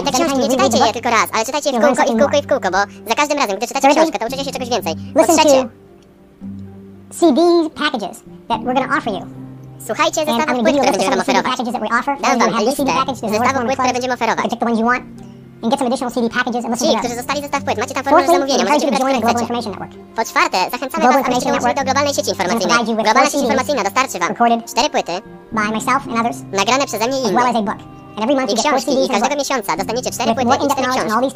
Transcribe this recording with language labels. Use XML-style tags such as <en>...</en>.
<pl>I te książki nie czytajcie je tylko raz, ale czytajcie je w kółko i w kółko i w kółko, bo za każdym razem, gdy czytacie książkę, to uczycie się czegoś więcej. Po trzecie,</pl> <en>CD packages that we're gonna offer you.</en> <pl>Słuchajcie zestawów płyt, które będziemy wam oferować. Dam wam listę zestawów płyt, które będziemy oferować.</pl> <en>And get some additional CD packages and listen.</en> <pl>Ci, którzy zostali zestaw płyt, macie tam formułę zamówienia, możecie wybrać, które chcecie. Po czwarte, zachęcamy was, abyście dołączyli do globalnej sieci informacyjnej. Globalna sieć informacyjna dostarczy wam 4 płyty, nagrane przeze mnie i inni, i książki, i każdego miesiąca dostaniecie 4 płyty i 4 książki.</pl>